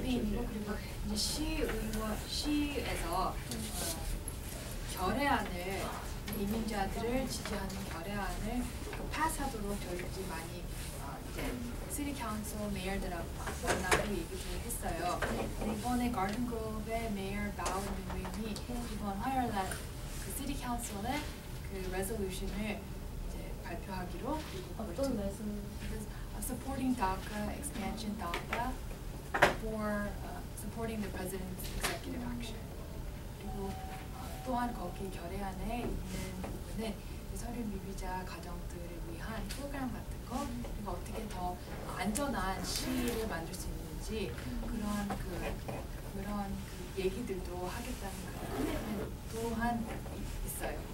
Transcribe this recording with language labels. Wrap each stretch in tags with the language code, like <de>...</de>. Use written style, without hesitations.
<ko>그리고 이제 시의회에서 결의안을 이민자들을 지지하는 결의안을 패스하도록 저희들이 많이 이제 시티 카운슬 메이어들하고 나를 얘기를 했어요. 이번에 가든그로브의 메이어 바우님이 이번 화요일날 그 시티 카운슬의 그 레졸루션을 발표하기로 어떤 말씀?</ko> <en>Supporting DACA expansion DACA for supporting the president's executive action.</en> <ko>그리고 또한 거기 결의안에 있는 부분은 서류 미비자 가정들을 위한 프로그램 같은 거, 그리고 어떻게 더 안전한 시위를 만들 수 있는지 그런 그런 얘기들도 하겠다는 그런 컨텐츠도 한.</ko>